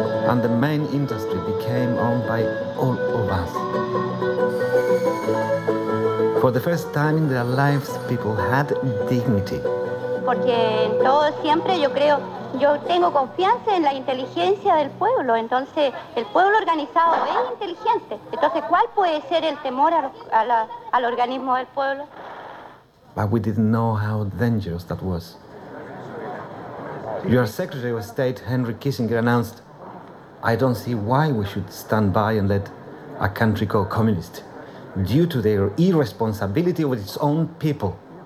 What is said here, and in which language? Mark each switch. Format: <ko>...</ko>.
<en>and the main industry became owned by all of us. For the first time in their lives, people had dignity.</en> <es>Porque en todo siempre yo creo, yo tengo confianza en la inteligencia del pueblo. Entonces, el pueblo organizado es inteligente. Entonces, ¿cuál puede ser el temor al organismo del pueblo?</es> <en>But we didn't know how dangerous that was. Your Secretary of State, Henry Kissinger, announced, "I don't see why we should stand by and let a country go communist due to their irresponsibility with its own people."</en>